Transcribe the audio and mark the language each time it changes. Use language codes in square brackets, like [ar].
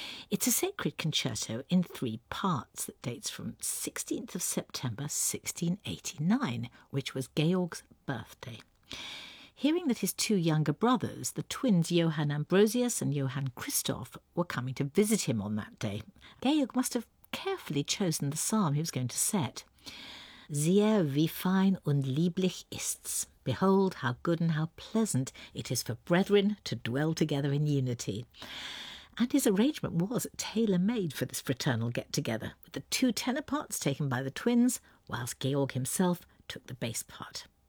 [en] It's a sacred concerto in three parts that dates from 16th of September 1689, which was Georg's birthday. Hearing that his two younger brothers, the twins Johann Ambrosius and Johann Christoph, were coming to visit him on that day, Georg must have carefully chosen the psalm he was going to set. [de] Siehe, wie fein und lieblich ist's. [en] Behold, how good and how pleasant it is for brethren to dwell together in unity. And his arrangement was tailor-made for this fraternal get-together, with the two tenor parts taken by the twins, whilst Georg himself took the bass part.